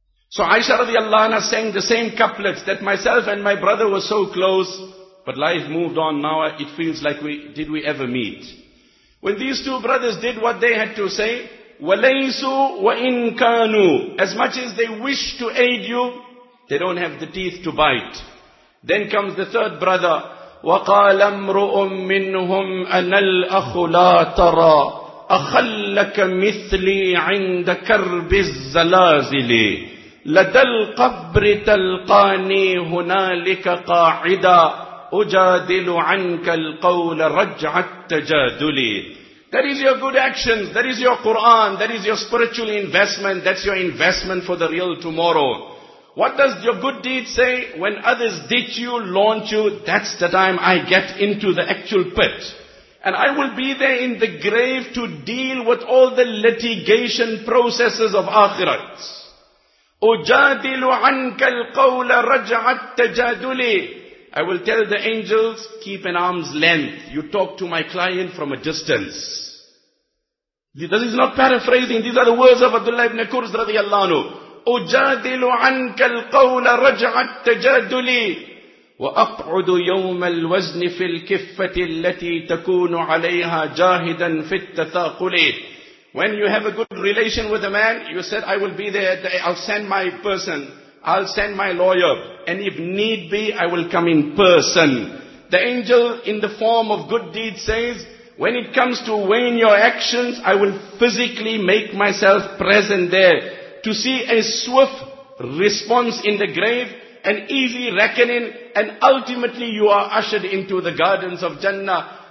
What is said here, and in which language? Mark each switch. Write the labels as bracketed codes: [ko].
[en] So Aisha radiallahu anha sang the same couplets, that myself and my brother were so close, but life moved on, now it feels like did we ever meet. When these two brothers did what they had to say, [ar] وَلَيْسُ وَإِن كَانُوا, [en] as much as they wish to aid you, they don't have the teeth to bite. Then comes the third brother, [ar] وَقَالَ أَمْرُؤٌ مِّنْهُمْ أَنَا الْأَخُ لَا تَرَى أَخَلَّكَ مِثْلِي عِنْدَ كَرْبِ الزَّلَازِلِ لَدَى الْقَبْرِ تَلْقَانِي هُنَالِكَ قَاعِدًا أُجَادِلُ عَنْكَ الْقَوْلَ رَجْعَ التَّجَادُلِ. [en] That is your good actions, that is your Quran, that is your spiritual investment, that's your investment for the real tomorrow. What does your good deed say? When others ditch you, launch you, that's the time I get into the actual pit. And I will be there in the grave to deal with all the litigation processes of akhirat. [ar] أُجَادِلُ عَنْكَ الْقَوْلَ رَجْعَ التَّجَادُلِ. [en] I will tell the angels, keep an arm's length. You talk to my client from a distance. This is not paraphrasing. These are the words of Abdullah ibn Kurz radiallahu anhu. [ar] أُجَادِلُ عَنْكَ الْقَوْلَ رَجْعَ التَّجَادُلِ وَأَقْعُدُ يَوْمَ الْوَزْنِ فِي الْكِفَّةِ الَّتِي تَكُونُ عَلَيْهَا جَاهِدًا فِي التَّثَاقُلِ. [en] When you have a good relation with a man, you said, I will be there, I'll send my person, I'll send my lawyer, and if need be, I will come in person. The angel in the form of good deeds says, when it comes to weighing your actions, I will physically make myself present there to see a swift response in the grave, an easy reckoning, and ultimately you are ushered into the gardens of Jannah.